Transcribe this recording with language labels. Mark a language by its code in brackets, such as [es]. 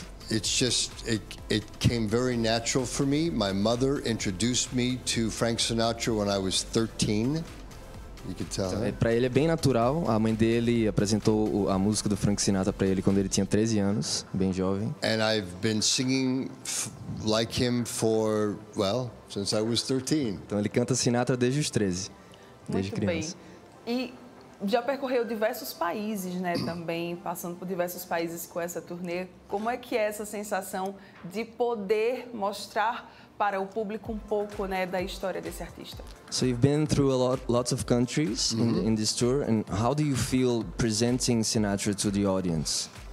[en] It's just it came very natural for me. My mother introduced me to Frank Sinatra when I was 13. You can tell. [pt] Então, para ele é bem natural. A mãe dele apresentou a música do Frank Sinatra para ele quando ele tinha 13 anos, bem jovem. [en] And I've been singing like him for, well, since I was 13. [pt] Então ele canta Sinatra desde os 13. Muito desde criança. Bem. E já percorreu diversos países, né, também, passando por diversos países com essa turnê. Como é que é essa sensação de poder mostrar para o público um pouco, né, da história desse artista? [en] So you've been through a lots of countries in this tour, and how do you feel presenting Sinatra to the audience?